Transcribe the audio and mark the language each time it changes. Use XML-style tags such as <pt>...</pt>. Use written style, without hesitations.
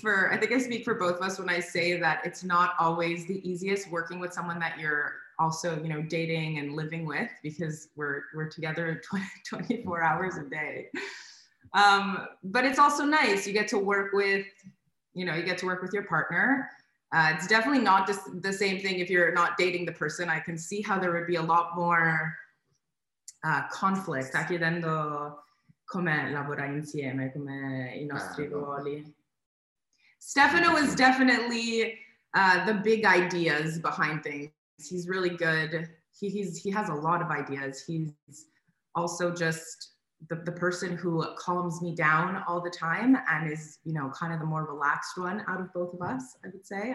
<en>I think I speak for both of us when I say that it's not always the easiest working with someone that you're also, you know, dating and living with, because we're together 24 hours a day. But it's also nice. You get to work with your partner. It's definitely not just the same thing if you're not dating the person. I can see how there would be a lot more conflict.</en> <it>Sta chiedendo come lavorare insieme, come i nostri ruoli.</it> <en>Stefano is definitely the big ideas behind things. He's really good. He has a lot of ideas. He's also just the person who calms me down all the time and is, you know, kind of the more relaxed one out of both of us, I would say.</en>